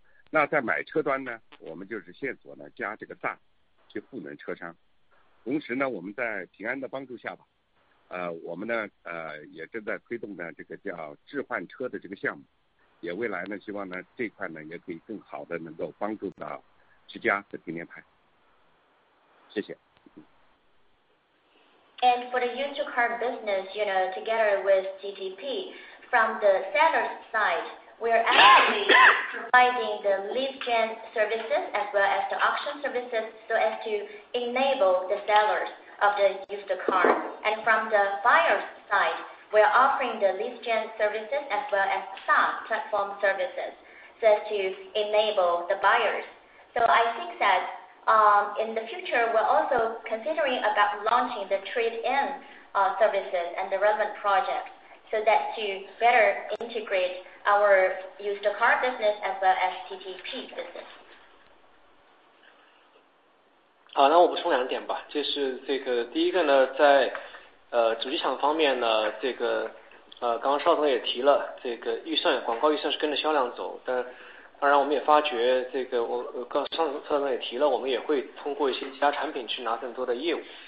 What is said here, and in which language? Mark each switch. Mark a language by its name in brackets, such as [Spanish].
[Chinese] 那在买车端呢，我们就是线索呢加这个大去赋能车商。同时呢，我们在平安的帮助下吧。我们呢也正在推动呢这个叫置换车的这个项目，也未来呢希望呢这块呢也可以更好的能够帮助到之家和天天拍。谢谢。 [English] And for the used car business, you know, together with GTP, from the seller's side, we are actually providing the lead gen services as well as the auction services so as to enable the sellers. Of the used car. And from the buyer's side, we are offering the lead gen services as well as SaaS platform services so as to enable the buyers. So I think that in the future, we're also considering about launching the trade-in services and the relevant projects so that to better integrate our used car business as well as TTP business. [Chinese] 好，那我补充两点吧。就是这个第一个呢，在主机厂方面呢，这个刚刚邵总也提了，这个预算广告预算是跟着销量走，但当然我们也发觉这个邵总也提了，我们也会通过一些其他产品去拿更多的业务。